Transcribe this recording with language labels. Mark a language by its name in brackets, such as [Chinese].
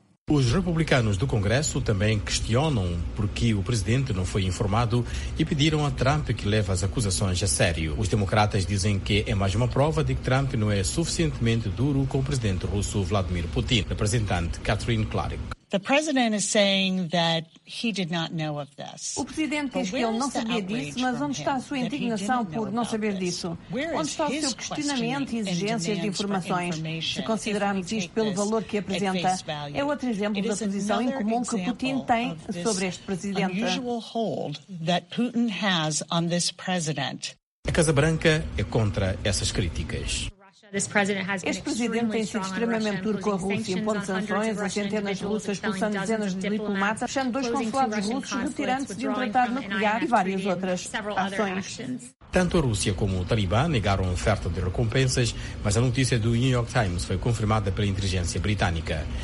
[Portuguese] Os republicanos do Congresso também questionam por que o presidente não foi informado e pediram a Trump que leve as acusações a sério. Os democratas dizem que é mais uma prova de que Trump não é suficientemente duro com o presidente russo Vladimir Putin. Representante Catherine Clarke. [English] The president is saying that he did not know of this. [Portuguese] O presidente diz que ele não sabia disso, mas onde está a sua indignação por não saber disso? Onde está o seu questionamento e exigências de informações? Se considerarmos isto pelo valor que apresenta, é outro exemplo da posição incomum que Putin tem sobre este presidente. [English] The usual hold that Putin has on this president. [Portuguese] A Casa Branca é contra essas críticas. Este presidente tem sido extremamente duro com a Rússia, impondo sanções a centenas de russas, expulsando dezenas de diplomatas, fechando dois consulados russos, retirando-se de um tratado nuclear e várias outras ações. Tanto a Rússia como o Talibã negaram oferta de recompensas, mas a notícia do New York Times foi confirmada pela inteligência britânica.